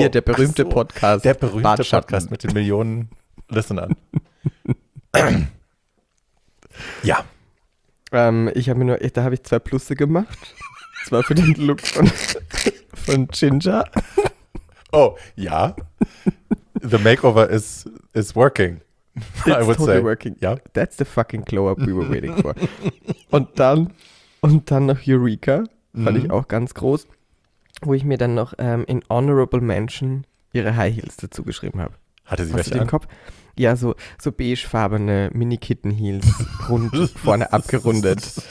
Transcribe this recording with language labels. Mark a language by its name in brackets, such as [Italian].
[German] Wir, der berühmte Podcast. Der berühmte Podcast mit den Millionen Listenern. Ja. Da habe ich zwei Plusse gemacht. Zwar für den Look von Ginger. Oh, ja. [English] The makeover is working. It's I would totally say. Working. Yeah. That's the fucking glow-up we were waiting for. [German] Und dann noch Eureka, fand ich auch ganz groß, wo ich mir dann noch in Honorable Mention ihre High Heels dazu geschrieben habe. Hatte sie welche im Kopf? Ja, so beigefarbene Mini-Kitten-Heels, rund vorne abgerundet.